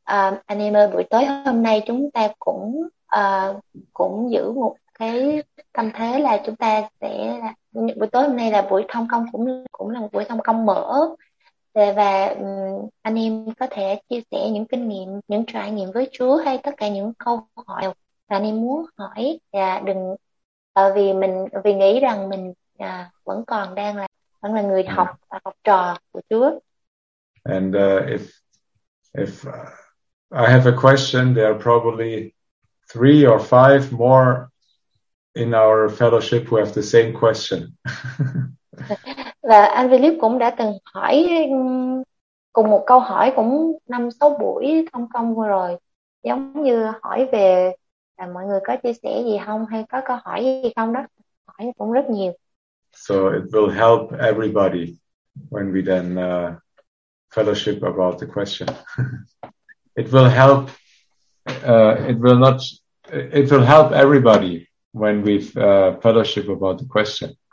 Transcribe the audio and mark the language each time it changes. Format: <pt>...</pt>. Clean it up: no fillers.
<vi>Anh em ơi, buổi tối hôm nay chúng ta cũng cũng giữ một cái tâm thế là chúng ta sẽ buổi tối hôm nay là buổi thông công cũng cũng là một buổi thông công mở và anh em có thể chia sẻ những kinh nghiệm, những trải nghiệm với Chúa hay tất cả những câu hỏi mà anh em muốn hỏi và đừng vì nghĩ rằng mình vẫn còn đang là vẫn là người học và học trò của Chúa.</vi> <en>And if I have a question, there are probably three or five more in our fellowship who have the same question.</en> <vi>Và anh Philip cũng đã từng hỏi cùng một câu hỏi cũng 5-6 buổi thông công vừa rồi, giống như hỏi về là mọi người có chia sẻ gì không hay có câu hỏi gì không đó, hỏi cũng rất nhiều.</vi> <en>So it will help everybody when we then fellowship about the question. It will help. It will not. It will help everybody when we've fellowship about the question.</en>